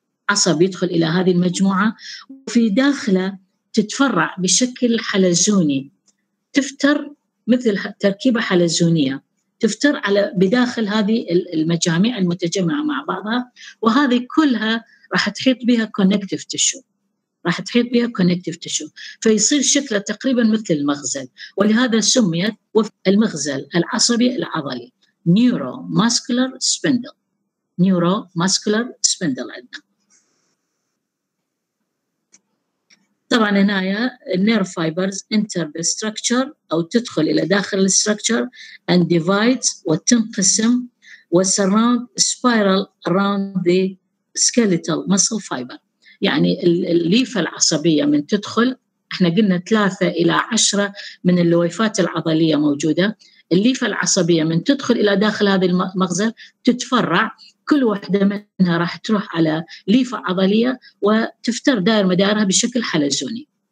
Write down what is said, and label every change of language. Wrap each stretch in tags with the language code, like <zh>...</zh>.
<ar>عصب يدخل إلى هذه المجموعة، وفي داخله تتفرع بشكل حلزوني، تفتر مثل تركيبة حلزونية تفتر على بداخل هذه المجاميع المتجمعة مع بعضها، وهذه كلها راح تحيط بها connective tissue، راح تحيط بها connective tissue، فيصير شكله تقريبا مثل المغزل، ولهذا سميت المغزل العصبي العضلي neuromuscular spindle. neuromuscular spindle عندنا. طبعا هنا يا</ar> <en>nerve fibers enter the structure</en> <ar>أو تدخل إلى داخل</ar> <en>the structure and divides</en> <ar>وتنقسم و</ar> <en>surround spiral around the skeletal muscle fiber.</en> <ar>يعني الليفة العصبية من تدخل، احنا قلنا 3 إلى 10 من اللويفات العضلية موجودة، الليفة العصبية من تدخل إلى داخل هذه المغزل تتفرع، كل واحدة منها راح تروح على ليفة عضلية وتفتر دائر مدارها بشكل حلزوني.</ar>